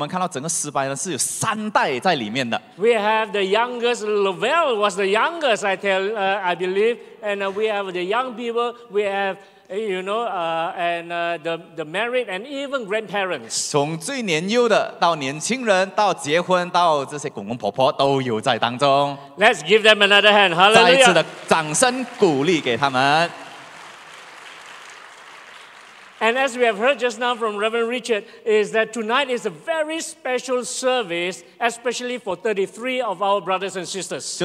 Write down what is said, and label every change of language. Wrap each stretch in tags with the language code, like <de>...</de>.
<zh>哇！但是呢，其实最令我开心的就是刚才我们看到整个诗班呢是有三代在里面的。</zh> <en>We have the youngest. Lavelle was the youngest, I believe, and we have the young people. We have, you know, and the married and even grandparents.</en> <zh>从最年幼的到年轻人到结婚到这些公公婆婆都有在当中。</zh> <en>Let's give them another hand. Hallelujah!</en> <zh>再一次的掌声鼓励给他们。</zh> <en>And as we have heard just now from Reverend Richard, is that tonight is a very special service, especially for 33 of our brothers and sisters.</en>